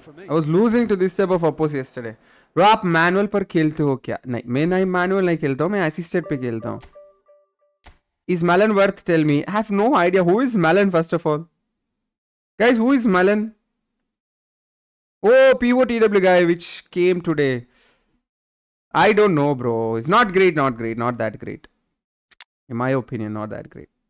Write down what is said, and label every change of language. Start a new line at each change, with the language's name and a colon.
English: I was losing to this type of opposite yesterday.
Hindi: Bro, आप manual पर खेलते हो क्या? नहीं, मैं नहीं मैनुअल नहीं खेलता हूँ, मैं असिस्टेड पे खेलता हूँ।
English: Is Malen worth, tell me? I have no idea. Who is Malen, first of all? Guys, who is Malen? Oh, POTW guy which came today. I don't know, bro. It's not great. Not that great. In my opinion, not that great.